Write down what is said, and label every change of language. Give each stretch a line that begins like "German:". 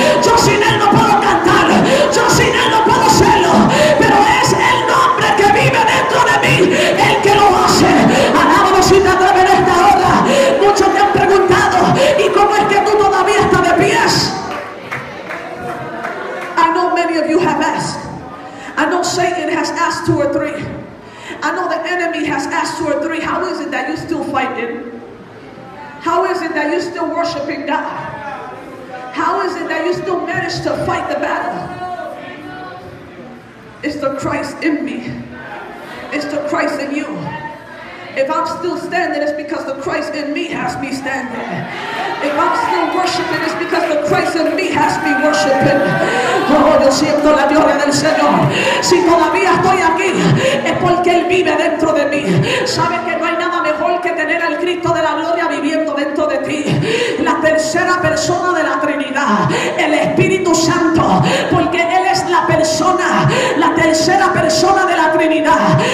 Spanish: Yo sin Él no puedo cantar. Yo sin Él no puedo hacerlo. Pero es el nombre que vive dentro de mí el que lo hace. Alábalo si te atreves en esta hora. Muchos te han preguntado, ¿y cómo es que tú todavía estás de pies?
English: I know many of you have asked. I know Satan has asked two or three. I know the enemy has asked two or three. How is it that you're still fighting? How is it that you're still worshiping God? How is it that you still manage to fight the battle? It's the Christ in me. It's the Christ in you. If I'm still standing, it's because the Christ in me has me standing. If I'm still worshiping, it's because the Christ in me has me worshiping.
Spanish: Oh, yo siento la gloria del Señor. Si todavía estoy aquí, es porque Él vive dentro de mí. ¿Sabe que no hay nada mejor que tener al Cristo de la gloria viviendo dentro de ti? La tercera persona de la Trinidad, el Espíritu Santo, porque Él es la persona, la tercera persona de la Trinidad.